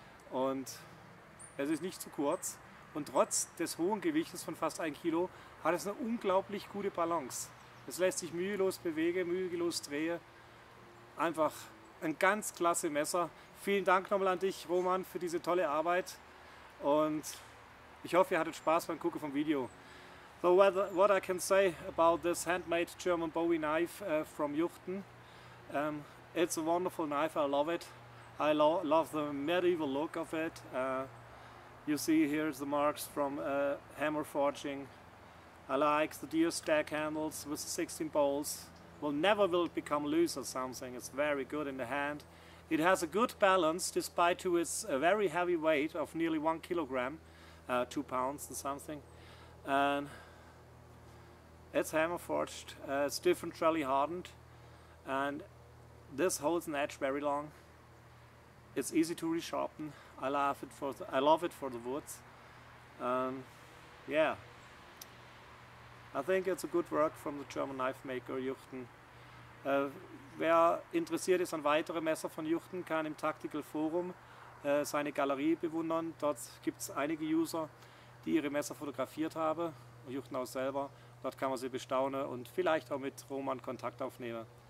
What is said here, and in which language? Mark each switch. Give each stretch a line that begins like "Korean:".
German: Und es ist nicht zu kurz. Und trotz des hohen Gewichtes von fast 1 Kilo hat es eine unglaublich gute Balance. Es lässt sich mühelos bewegen, mühelos drehen. Einfach ein ganz klasse Messer. Vielen Dank nochmal an dich, Roman, für diese tolle Arbeit. Und ich hoffe, ihr hattet Spaß beim Gucken vom Video.
English: So what I can say about this handmade German Bowie knife from Juchten, it's a wonderful knife, I love it. I love the medieval look of it. You see here the marks from hammer forging. I like the deer stack handles with 16 bowls. Well, never will it become loose or something, it's very good in the hand. It has a good balance despite to its very heavy weight of nearly 1 kilogram, 2 pounds and something. And it's hammer forged, it's different, really hardened, and this holds an edge very long. It's easy to resharpen. I love it for the woods. Yeah, I think it's a good work from the German knife maker Juchten.
German: Wer interessiert ist an weitere Messer von Juchten, kann im Tactical Forum seine Galerie bewundern. Dort gibt es einige User, die ihre Messer fotografiert haben, Juchten auch selber. Dort kann man sie bestaunen und vielleicht auch mit Roman Kontakt aufnehmen.